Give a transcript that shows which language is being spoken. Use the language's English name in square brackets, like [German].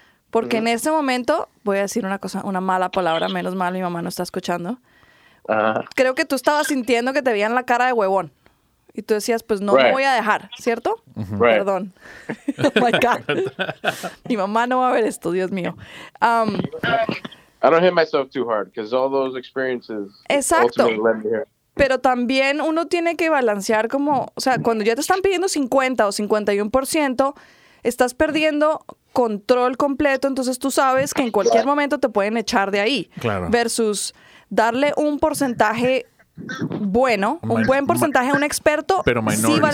[Spanish] Porque en ese momento, voy a decir una cosa, una mala palabra, menos mal, mi mamá no está escuchando. Uh-huh. Creo que tú estabas sintiendo que te veían la cara de huevón. Y tú decías, pues no [English] right. [Spanish] me voy a dejar, ¿cierto? [English] Right. [Spanish] Perdón. [English] Oh my God. [Spanish] Mi mamá no va a ver esto, Dios mío. [English] I don't hit myself too hard, because all those experiences [Spanish] exacto. [English] ultimately led me here. [Spanish] Pero también uno tiene que balancear como, o sea, cuando ya te están pidiendo 50 o 51%, estás perdiendo control completo, entonces tú sabes que en cualquier momento te pueden echar de ahí. Claro. Versus darle un porcentaje bueno, buen porcentaje a un experto, sí vale